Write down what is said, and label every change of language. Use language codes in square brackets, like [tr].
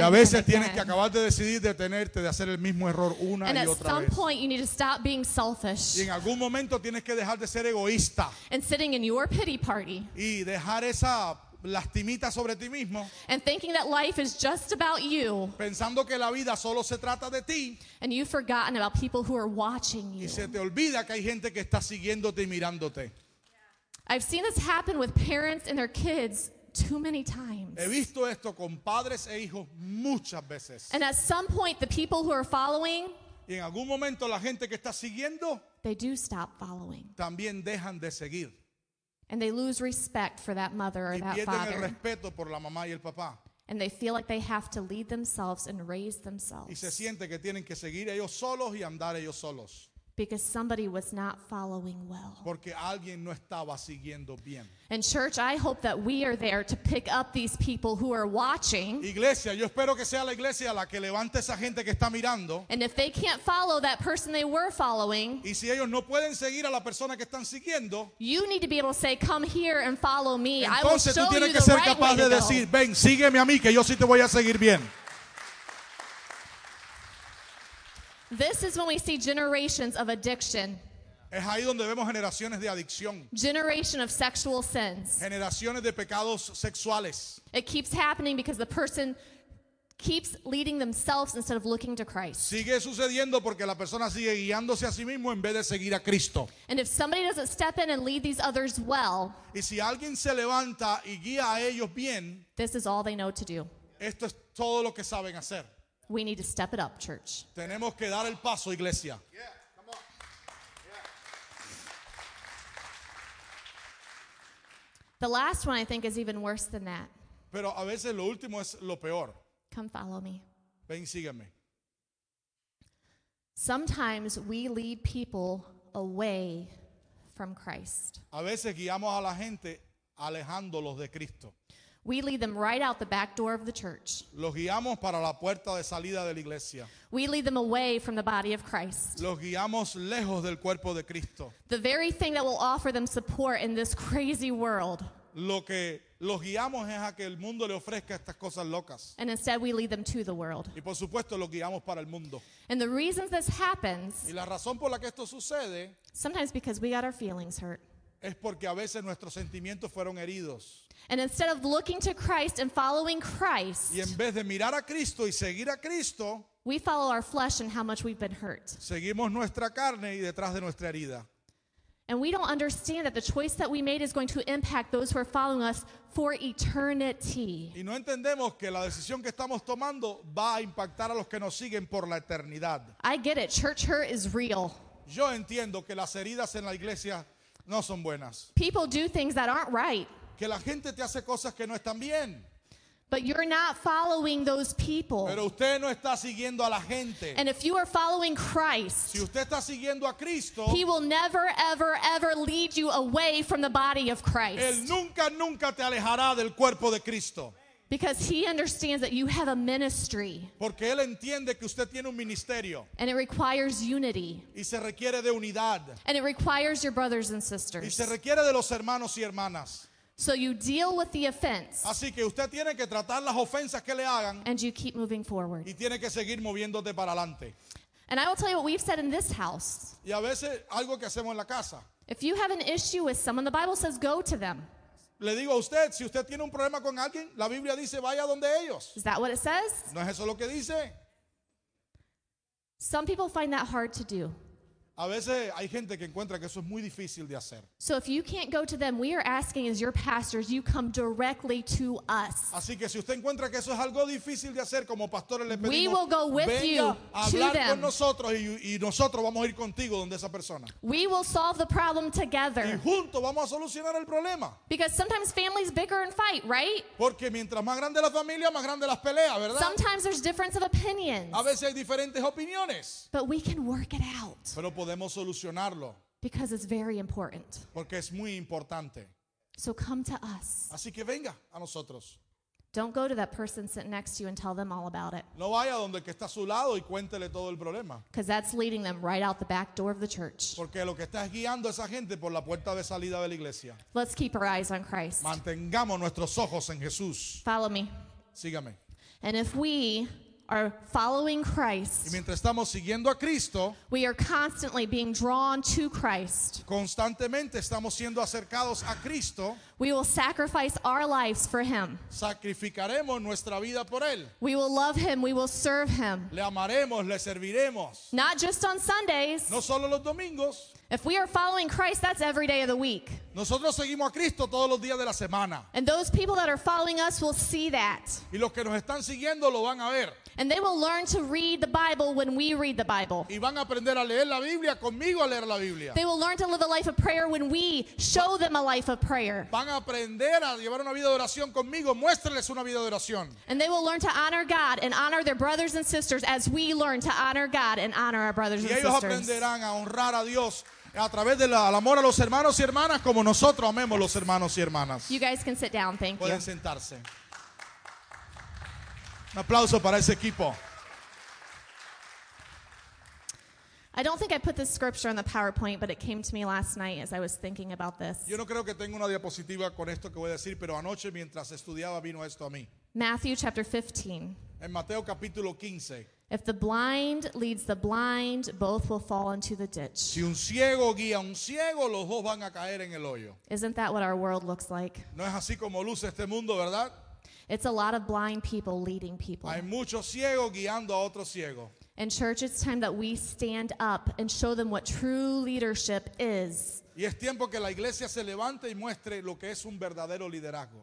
[es] Y a veces [en] and again. [es] Tienes que acabar de decidir detenerte de hacer el mismo error una [en] and [es] y otra vez. [en] And at some point, you need to stop being selfish. [es] Y en algún momento tienes que dejar de ser egoísta. [en] And sitting in your pity party. [es] Y dejar esa lastimita sobre ti mismo, [en] and thinking that life is just about you, [es] pensando que la vida solo se trata de ti, [en] and you've forgotten about people who are watching you. [es] Y se te olvida que hay gente que está siguiéndote y mirándote. [en] I've seen this happen with parents and their kids too many times. [es] He visto esto con padres e hijos muchas veces. [en] And at some point, the people who are following, [es] y en algún momento la gente que está siguiendo, [en] they do stop following. [es] También dejan de seguir. [en] And they lose respect for that mother or that father. [es] Y pierden el respeto por la mamá y el papá. [en] And they feel like they have to lead themselves and raise themselves. [es] Y se siente que tienen que seguir ellos solos y andar ellos solos. [en] Because somebody was not following well. [es] Porque alguien no estaba siguiendo bien. [en] And church, I hope that we are there to pick up these people who are watching. [es] Iglesia, yo espero que sea la iglesia la que levante esa gente que está mirando. [en] And if they can't follow that person they were following, [es] y si ellos no pueden seguir a la persona que están siguiendo, [en] you need to be able to say, come here and follow me. [es] Entonces, [en] I will show [es] tú tienes [en] you [es] que [en] the [es] ser [en] right [es] capaz [en] way [es] de [en] to [es] decir, [en] go. [es] Ven, sígueme a mí, que yo sí te voy a seguir bien. [en] This is when we see generations of addiction. [es] Es ahí donde vemos generaciones de adicción. [en] Generation of sexual sins. [es] Generaciones de pecados sexuales. [en] It keeps happening because the person keeps leading themselves instead of looking to Christ. [es] Sigue sucediendo porque la persona sigue guiándose a sí mismo en vez de seguir a Cristo. [en] And if somebody doesn't step in and lead these others well, [es] y si alguien se levanta y guía a ellos bien, [en] this is all they know to do. [es] Esto es todo lo que saben hacer. [en] We need to step it up, church. [es] Tenemos que dar el paso, iglesia. [en] Yeah, come on. Yeah. The last one, I think, is even worse than that. [es] Pero a veces lo último es lo peor. [en] Come follow me. [es] Ven, sígueme. [en] Sometimes we lead people away from Christ. [es] A veces guiamos a la gente alejándolos de Cristo. [en] We lead them right out the back door of the church. [es] Los guiamos para la puerta de salida de la iglesia. [en] We lead them away from the body of Christ. [es] Los guiamos lejos del cuerpo de Cristo. [en] The very thing that will offer them support in this crazy world. [es] Lo que los guiamos es a que el mundo le ofrezca estas cosas locas. [en] And instead we lead them to the world. [es] Y por supuesto los guiamos para el mundo. [en] And the reason this happens, [es] y la razón por la que esto sucede, [en] sometimes because we got our feelings hurt. [es] Es porque a veces nuestros sentimientos fueron heridos. [en] And instead of looking to Christ and following Christ, [es] y en vez de mirar a Cristo y seguir a Cristo, [en] we follow our flesh and how much we've been hurt. [es] Seguimos nuestra carne y detrás de nuestra herida. [en] And we don't understand that the choice that we made is going to impact those who are following us for eternity. [es] Y no entendemos que la decisión que estamos tomando va a impactar a los que nos siguen por la eternidad. [en] I get it. Church hurt is real. [es] Yo entiendo que las heridas en la iglesia no son buenas. [en] People do things that aren't right. [es] Que la gente te hace cosas que no están bien. [en] But you're not following those people. [es] Pero usted no está siguiendo a la gente. [en] And if you are following Christ, [es] si usted está siguiendo a Cristo, [en] he will never, ever, ever lead you away from the body of Christ. [es] Él nunca, nunca te alejará del cuerpo de Cristo. [en] Because he understands that you have a ministry. [es] Porque él entiende que usted tiene un ministerio. [en] And it requires unity. [es] Y se requiere de unidad. [en] And it requires your brothers and sisters. [es] Y se requiere de los hermanos y hermanas. [en] So you deal with the offense. [es] Así que usted tiene que tratar las ofensas que le hagan. [en] And you keep moving forward. [es] Y tiene que seguir moviéndote para adelante. [en] And I will tell you what we've said in this house. [es] Y a veces algo que hacemos en la casa. [en] If you have an issue with someone, the Bible says go to them. [es] Le digo a usted, si usted tiene un problema con alguien, la Biblia dice vaya donde ellos. [en] Is that what it says? [es] ¿No es eso lo que dice? [en] Some people find that hard to do. [es] A veces hay gente que encuentra que eso es muy difícil de hacer. [en] So if you can't go to them, we are asking as your pastors, you come directly to us. [es] Así que si usted encuentra que eso es algo difícil de hacer, como pastores le pedimos, [en] we will go with you [es] a hablar [en] to them. [es] Con nosotros y nosotros vamos a ir contigo donde esa persona. [en] We will solve the problem together. [es] Y juntos vamos a solucionar el problema. [en] Because sometimes families bicker and fight, right? [es] Porque mientras más grande la familia, más grande las peleas, ¿verdad? [en] Sometimes there's difference of opinions. [es] A veces hay diferentes opiniones. [en] But we can work it out. [es] Pero podemos solucionarlo. [en] Because it's very important. [es] Porque es muy importante. [en] So come to us. [es] Así que venga a nosotros. [en] Don't go to that person sitting next to you and tell them all about it. [es] No vaya donde el que está a su lado y cuéntele todo el problema. [en] Because that's leading them right out the back door of the church. [es] Porque lo que está es guiando a esa gente por la puerta de salida de la iglesia. [en] Let's keep our eyes on Christ. [es] Mantengamos nuestros ojos en Jesús. [en] Follow me. [es] Sígame. [en] And if we are following Christ, [es] y mientras estamos siguiendo a Cristo, [en] we are constantly being drawn to Christ. [es] Constantemente estamos siendo acercados a Cristo. [en] We will sacrifice our lives for him. [es] Sacrificaremos nuestra vida por él. [en] We will love him. We will serve him. [es] Le amaremos, le serviremos. [en] Not just on Sundays. [es] No solo los domingos. [en] If we are following Christ, that's every day of the week. [es] Nosotros seguimos a Cristo todos los días de la semana. [en] And those people that are following us will see that. [es] Y los que nos están siguiendo lo van a ver. [en] And they will learn to read the Bible when we read the Bible. [es] Y van a aprender a leer la Biblia conmigo a leer la Biblia. [en] They will learn to live a life of prayer when we show them a life of prayer. [es] Van a aprender a llevar una vida de oración conmigo, muéstrales una vida de oración. [en] And they will learn to honor God and honor their brothers and sisters as we learn to honor God and honor our brothers and sisters. [es] Y ellos aprenderán a honrar a Dios a través del amor a los hermanos y hermanas como nosotros amemos los hermanos y hermanas. [en] You guys can sit down, thank [es] pueden [en] you. [es] Sentarse. Un aplauso para ese equipo. [en] I don't think I put this scripture in the PowerPoint, but it came to me last night as I was thinking about this. [es] Yo no creo que tenga una diapositiva con esto que voy a decir, pero anoche mientras estudiaba vino esto a mí. [en] Matthew chapter 15. [es] En Mateo capítulo 15. [en] If the blind leads the blind, both will fall into the ditch. [es] Si un ciego guía un ciego, los dos van a caer en el hoyo. [en] Isn't that what our world looks like? [es] No es así como luce este mundo, ¿verdad? [en] It's a lot of blind people leading people. [es] Hay mucho ciego guiando a otro ciego. [en] In church, it's time that we stand up and show them what true leadership is. [es] Y es tiempo que la iglesia se levante y muestre lo que es un verdadero liderazgo.